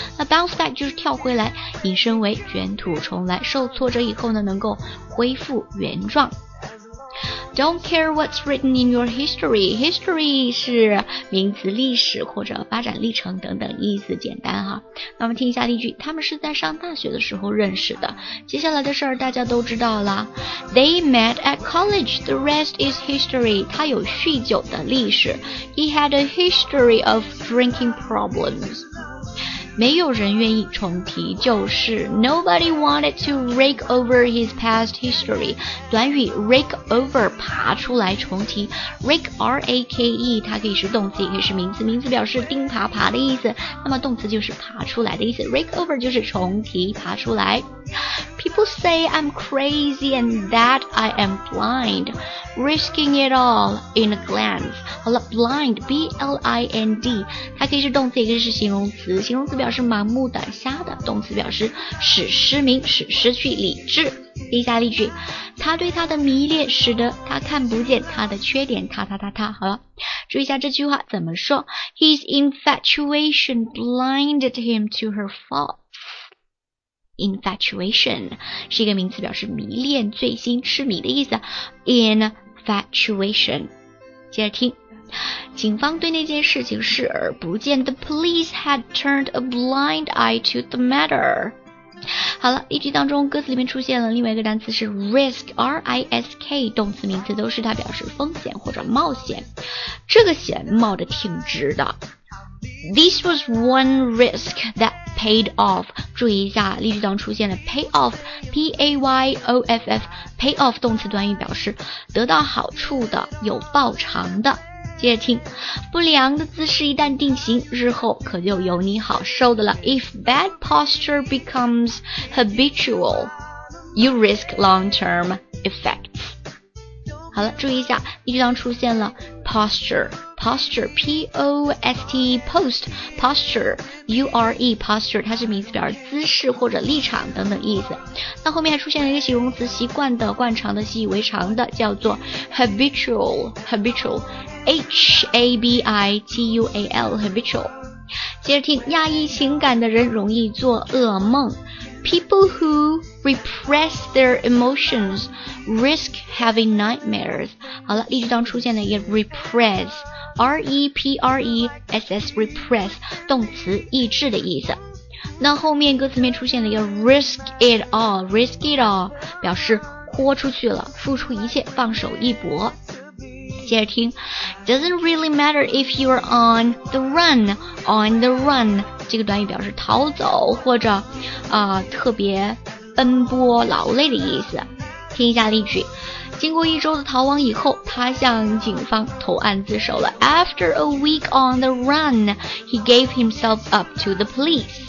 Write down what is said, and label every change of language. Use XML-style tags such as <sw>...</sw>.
<zh>那 bounce back 就是跳回来，引申为卷土重来，受挫折以后呢能够恢复原状。</zh> <en>Don't care what's written in your history.</en> <zh>History 是名词，历史或者发展历程等等意思，简单哈。那我们听一下例句，他们是在上大学的时候认识的，接下来的事儿大家都知道了。</zh> <en>They met at college, the rest is history.</en> <zh>他有酗酒的历史。</zh> <en>He had a history of drinking problems.</en> <zh>没有人愿意重提旧事。</zh> <en>Nobody wanted to rake over his past history.</en> <zh>短语 rake over 爬出来重提。 Rake R-A-K-E 它可以是动词，也可以是名词。名词表示钉耙耙的意思，那么动词就是爬出来的意思。 Rake over 就是重提，爬出来。</zh> <en>People say I'm crazy and that I am blind, risking it all in a glance.</en> <zh>好了 ，blind, B-L-I-N-D， 它可以是动词，也可以是形容词。形容词表示盲目的、瞎的；动词表示使失明、使失去理智。第一下例句，他对他的迷恋使得他看不见他的缺点。他。好了，注意一下这句话怎么说 ？</zh> <en>His infatuation blinded him to her faults.</en> <zh>Infatuation 是一个名词，表示迷恋、醉心、痴迷的意思。 Infatuation， 接着听，警方对那件事情视而不见。</zh> <en>The police had turned a blind eye to the matter。</en> <zh>好了，例句当中歌词里面出现了另外一个单词是 risk， R I S K， 动词、名词都是它，表示风险或者冒险。这个险冒得挺值的。</zh> <en>This was one risk that paid off.</en> <zh>注意一下，例句当出现了 pay off, P-A-Y-O-F-F, pay off 动词短语，表示得到好处的、有报偿的。接着听，不良的姿势一旦定型，日后可就有你好受的了。</zh> <en>If bad posture becomes habitual, you risk long-term effects.</en> <zh>好了，注意一下，例句当出现了 posture. Posture, P-O-S-T, post, posture, U-R-E, posture, 它是名词，表示姿势或者立场等等意思。那后面还出现了一个形容词，习惯的、惯常的、习以为常的，叫做 habitual, habitual, H-A-B-I-T-U-A-L, habitual。接着听，压抑情感的人容易做噩梦。</zh> <en>People who repress their emotions risk having nightmares.</en> <zh>好了，例句当出现了一个 repress,R-E-P-R-E-S-S repress 动词抑制的意思。那后面歌词面出现了一个 risk it all， risk it all 表示豁出去了，付出一切，放手一搏。接着听，</zh> <en>doesn't really matter if you're on the run，</en> <zh>on the run 这个短语表示逃走或者特别奔波劳累的意思。听一下例句，经过一周的逃亡以后，他向警方投案自首了。</zh> <en>After a week on the run, he gave himself up to the police.</en>